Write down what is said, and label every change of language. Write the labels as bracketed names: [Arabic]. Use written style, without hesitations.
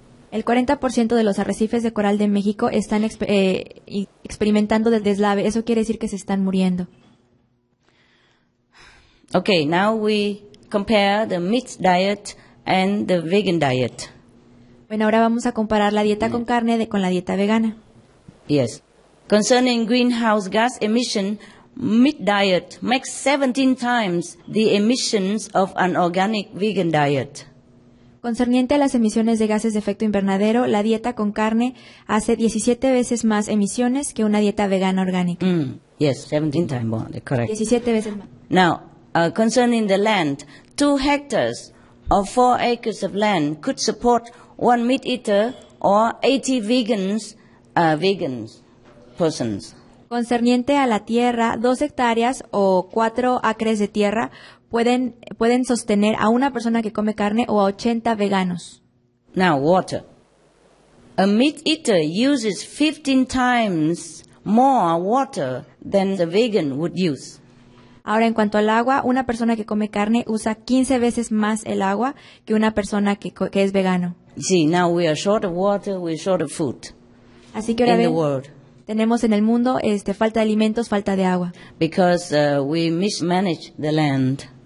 [Spanish] El 40% de los arrecifes de coral de México están experimentando el deslave. Eso quiere decir que se están muriendo. [English] Okay, now we compare the meat diet and the vegan diet. [Spanish] Bueno, ahora vamos a comparar la dieta con carne con la dieta vegana. [English] Yes. Concerning greenhouse gas emission, meat diet makes 17 times the emissions of an organic vegan diet. [Spanish] Concerniente a las emisiones de gases de efecto invernadero, la dieta con carne hace 17 veces más emisiones que una dieta vegana orgánica. [English] Yes, 17 times more, correct. [Spanish] 17 veces más. [English] Now, concerning the land, 2 hectares or 4 acres of land could support 1 meat eater or 80 vegans, persons. [Spanish] Concerniente a la tierra, 2 hectáreas o 4 acres de tierra pueden sostener a una persona que come carne o a 80 veganos. [English] Now, water. A meat eater uses 15 times more water than the vegan would use. [Spanish] Ahora, en cuanto al agua, una persona que come carne usa 15 veces más el agua que una persona que es vegano. [English] Sí, now we are short of water, we are short of food. [Spanish] Así que ahora tenemos en el mundo falta de alimentos, falta de agua. [English] Because we mismanage the land.